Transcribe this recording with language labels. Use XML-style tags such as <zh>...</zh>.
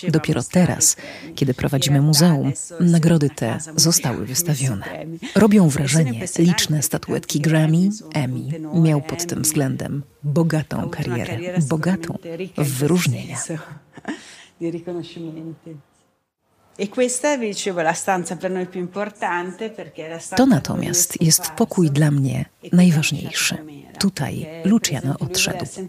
<pl>Dopiero teraz, kiedy prowadzimy muzeum, nagrody te zostały wystawione. Robią wrażenie liczne statuetki Grammy, Emmy. Miał pod tym względem bogatą karierę, bogatą w wyróżnienia.</pl> <it>Di riconoscimenti. E questa, dicevo, la stanza per noi più importante perché la stanza.</it> <pl>To natomiast jest pokój dla mnie najważniejszy. Tutaj Luciano odszedł.</pl>